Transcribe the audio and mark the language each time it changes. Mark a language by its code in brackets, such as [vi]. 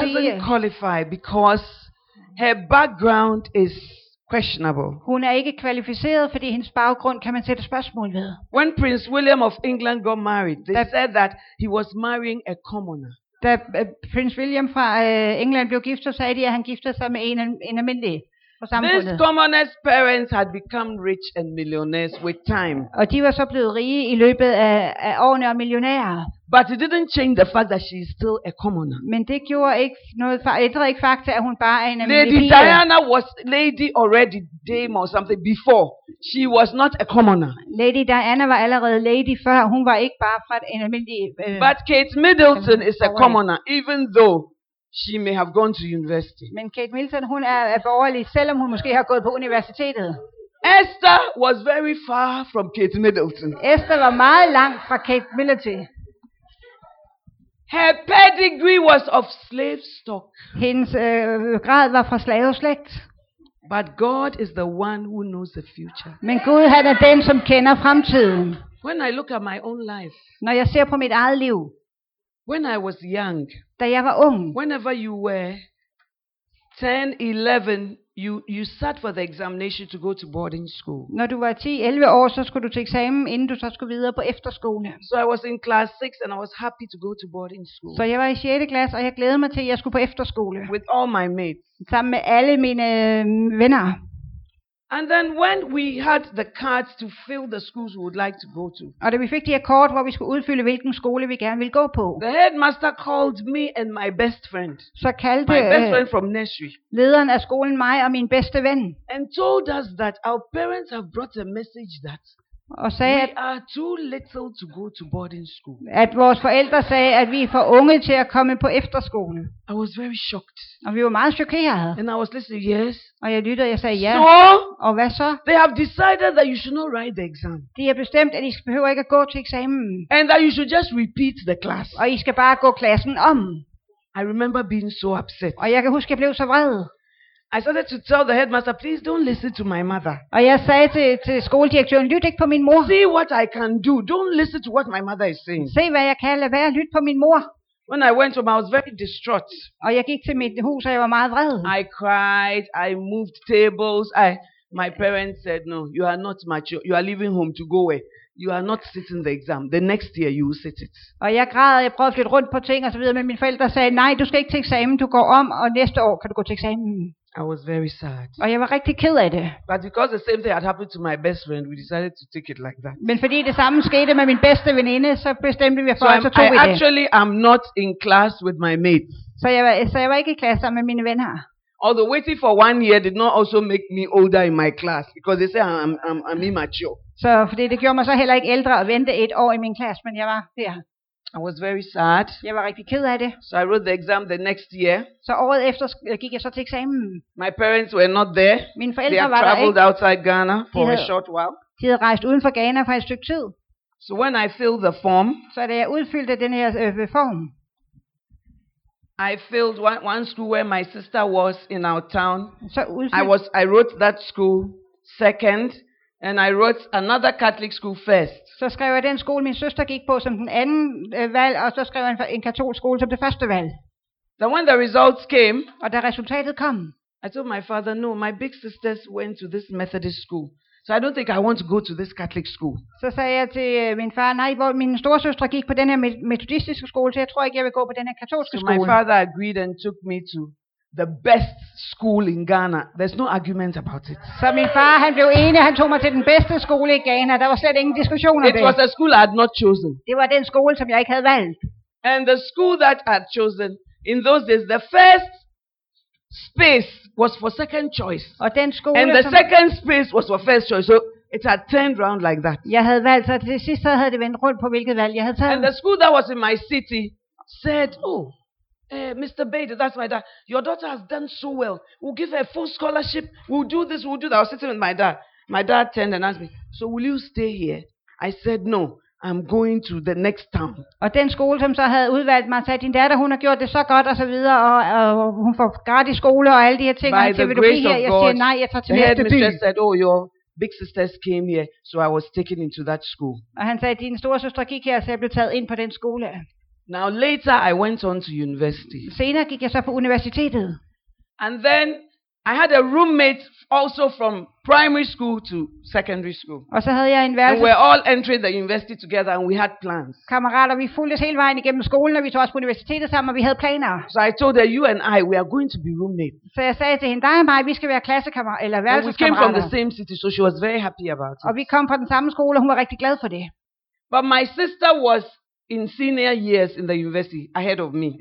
[da] sige, [en] she doesn't qualify because her background is questionable. [da] Hun er ikke kvalificeret, fordi hendes baggrund kan man sætte spørgsmål ved. [en] When Prince William of England got married, they said that he was marrying a commoner. [da] Da Prince William fra England blev gift, så sagde de, at han giftede sig med en almindelig fra samfundet. [en] This commoner's parents had become rich and millionaires with time. [da] Og de var så blevet rige i løbet af årene og millionærer. [en] But it didn't change the fact that she is still a commoner. [da] Men det gjorde ikke noget, ændrede ikke faktum, at hun bare er en almindelig pige. [en] Lady Diana was lady already dame or something before. She was not a commoner. [da] Lady Diana var allerede lady før, hun var ikke bare fra en almindelig. [en] But Kate Middleton is a commoner even though she may have gone to university. [da] Men Kate Middleton, hun er borgerlig, selvom hun måske har gået på universitetet. [en] Esther was very far from Kate Middleton. [da] Esther var meget langt fra Kate Middleton. [en] Her pedigree was of slave stock. [da] Hendes grad var fra slaveslægt. [en] But God is the one who knows the future. [da] Men Gud han er den som kender fremtiden. [en] When I look at my own life. [da] Når jeg ser på mit eget liv. [en] When I was young, [da] da jeg var ung, [en] whenever you were 10, 11, you sat for the examination to go to boarding school. [da] Når du var 10, 11 år, så skulle du til eksamen, inden du så skulle videre på efterskole. [en] So I was in class 6 and I was happy to go to boarding school. [da] Så jeg var i 6. klasse, og jeg glædede mig til, at jeg skulle på efterskole. [en] With all my mates. [da] Sammen med alle mine venner. [en] And then when we had the cards to fill the schools we would like to go to. [da] Og da vi fik de her kort, hvor vi skulle udfylde hvilken skole vi gerne ville gå på. [en] The headmaster called me and my best friend. [da] Så kaldte [en] my best friend from nursery. [da] Lederen af skolen mig og min bedste ven. [en] And told us that our parents have brought a message that [da] og sagde, [en] we are too little to go to boarding school. [da] At vores forældre sagde, at vi er for unge til at komme på efterskole. [en] I was very shocked. [da] Og vi var meget chokerede. [en] And I was listening, yes. [da] Og jeg lyttede, og jeg sagde ja. [en] So, [da] og hvad så? [en] They have decided that you should not write the exam. [da] De har bestemt, at I behøver ikke at gå til eksamen. [en] And that you should just repeat the class. [da] Og I skal bare gå klassen om. [en] I remember being so upset. [da] Og jeg kan huske, at jeg blev så vred. [en] I started to tell the headmaster, please don't listen to my mother. [da] Og jeg sagde til skoledirektøren, lyt ikke på min mor. [en] See what I can do. Don't listen to what my mother is saying. [da] Se hvad jeg kan, lad være at lytte på min mor. [en] When I went home, I was very distraught. [da] Og jeg gik til mit hus, og jeg var meget vred. [en] I cried, I moved tables. My parents said, no, you are not mature. You are leaving home to go away. You are not sitting the exam. The next year you will sit it. [da] Og jeg græd, jeg prøvede at flytte rundt på ting og så videre, men mine forældre sagde, nej, du skal ikke til eksamen, du går om, og næste år kan du gå til eksamen. [en] I was very sad. [da] Og jeg var rigtig ked af det. [en] But because the same thing had happened to my best friend, we decided to take it like that. [da] Men fordi det samme skete med min bedste veninde, så bestemte vi for, [en] so [da] at så tog [en] I [da] vi [en] actually [da] det. [en] I'm not in class with my mates. [da] Så jeg var ikke i klasse sammen med mine venner. [en] Although waiting for one year did not also make me older in my class, because they say I'm immature. [da] Så fordi det gjorde mig så heller ikke ældre at vente et år i min klasse, men jeg var der. [en] I was very sad. [da] Jeg var rigtig ked af det. [en] So I wrote the exam the next year. [da] Så året efter gik jeg så til eksamen. [en] My parents were not there. [da] Mine forældre var der ikke. [en] They traveled outside Ghana for a short while. [da] De havde rejst uden for Ghana for et stykke tid. [en] So when I filled the form, [da] så da jeg udfyldte den her form, [en] I filled one school where my sister was in our town. [da] Så [en] I wrote that school second, and I wrote another Catholic school first. [da] Så skrev jeg den skole, min søster gik på, som den anden valg, og så skrev jeg en katolsk skole som det første valg. [en] Then when the results came, [da] og da resultatet kom, [en] I told my father, no, my big sisters went to this Methodist school, so I don't think I want to go to this Catholic school. [da] Så sagde jeg til min far, nej, hvor min storesøster gik på den her metodistiske skole, så jeg tror ikke, jeg vil gå på den her katolske skole. [en] So my father agreed and took me to the best school in Ghana. There's no argument about it. [da] Så min far, han blev enig, han tog mig til den bedste skole i Ghana. Der var slet ingen diskussion om det. [en] It was a school I had not chosen. [da] Det var den skole, som jeg ikke havde valgt. [en] And the school that I had chosen, in those days, the first space was for second choice. [da] Og den skole, [en] and the second space was for first choice. So it had turned round like that. [da] Jeg havde valgt, så til sidst så havde det vendt rundt på, hvilket valg jeg havde taget. [en] And the school that was in my city said, oh, Mr. Bader, that's my dad. Your daughter has done so well. We'll give her a full scholarship. We'll do this, we'll do that. I was sitting with my dad. My dad turned and asked me, so will you stay here? I said, no, I'm going to the next town. [da] Og den skole, som så havde udvalgt mig, sagde, din datter, hun har gjort det så godt, og så videre, og hun får gratis skole, og alle de her ting. [en] By the grace of God, [da] jeg siger, nej, jeg tager til næste by. [en] The headmistress said, oh, your big sisters came here, so I was taken into that school. [da] Og han sagde, din store søster gik her, så jeg blev taget ind på den skole. [en] Now later I went on to university. [da] Senere gik jeg så på universitetet. [en] And then I had a roommate also from primary school to secondary school. [da] Og så havde jeg en værelse. [en] And we were all entering the university together and we had plans. [da] Kammerater, vi fulgtes hele vejen igennem skolen, og vi tog også på universitetet sammen, og vi havde planer. [en] So I told her, you and I, we are going to be roommates. [da] Så jeg sagde til hende, dig og mig, vi skal være klassekammerater eller værelseskammerater. [en] And we came from the same city, so she was very happy about it. [da] Og vi kom fra den samme skole, og hun var rigtig glad for det. [en] But my sister was in senior years in the university ahead of me.